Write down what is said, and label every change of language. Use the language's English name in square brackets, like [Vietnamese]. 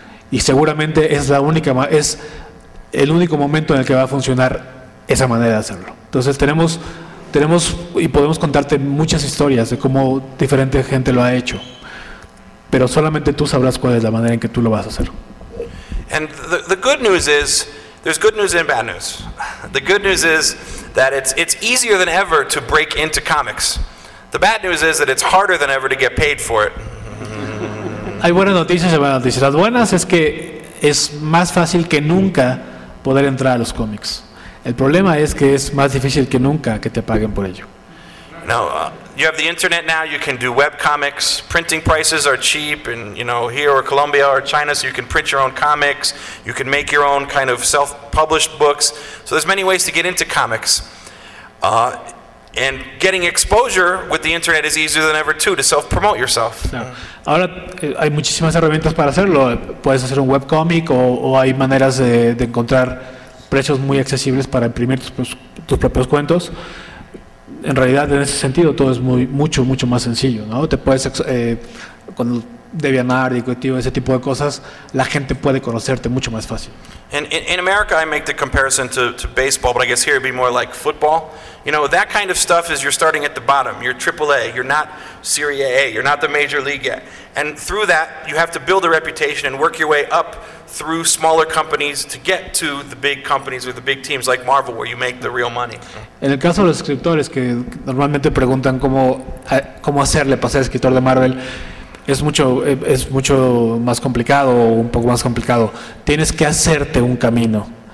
[Spanish] Y seguramente es el único momento en el que va a funcionar esa manera de hacerlo. Entonces tenemos y podemos contarte muchas historias de cómo diferente gente lo ha hecho, pero solamente tú sabrás cuál es la manera en que tú lo vas a hacer. [English] And the good news is, there's good news and bad news. The good news is that it's easier than ever to break into comics. The bad news is that it's harder than ever to get paid for it. [Spanish] Hay buenas noticias y malas noticias. Las buenas es que es más fácil que nunca poder entrar a los cómics. El problema es que es más difícil que nunca que te paguen por ello. No, you have the internet now, you can do web comics. Printing prices are cheap, and you know, here or Colombia or China, so you can print your own comics. You can make your own kind of self-published books. So there's many ways to get into comics. And getting exposure with the internet is easier than ever too to self-promote yourself. Ahora hay muchísimas herramientas para hacerlo. Puedes hacer un webcomic o hay maneras de encontrar precios muy accesibles para imprimir tus propios cuentos. En realidad, en ese sentido, todo es mucho más sencillo, ¿no? Te puedes con DeviantArt y todo ese tipo de cosas, la gente puede conocerte mucho más fácil. [English] In America, I make the comparison to baseball, but I guess here it'd be more like football. You know, that kind of stuff is you're starting at the bottom. You're Triple A. You're not Serie A. You're not the major league yet. And through that, you have to build a reputation and work your way up through smaller companies to get to the big companies or the big teams like Marvel, where you make the real money. [Spanish] En el caso de los escritores que normalmente preguntan cómo hacerle para ser escritor de Marvel, es mucho más complicado o un poco más complicado. Tienes que hacerte un camino.